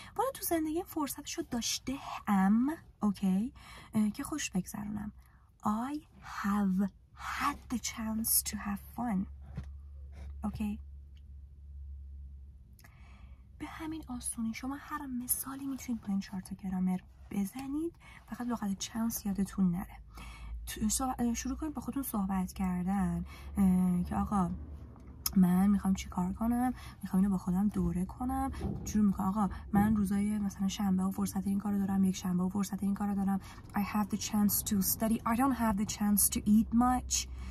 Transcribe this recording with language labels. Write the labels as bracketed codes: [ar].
[fa] والا تو زندگی فرصتشو داشته ام، اوکی؟ که خوش بگذرونم. [en] I have had the chance to have fun. [fa] اوکی؟ به همین آسونی شما هر مثالی میتونید با این چهار تا گرامر بزنید، فقط لغت چانس یادتون نره. شروع کنید با خودتون صحبت کردن که آقا من میخوام چی کار کنم، میخوام اینو با خودم دوره کنم. شروع میکنم آقا من روزای مثلا شنبه و فرصت این کارو دارم، یک شنبه و فرصت این کارو دارم. [en] I have the chance to study. I don't have the chance to eat much.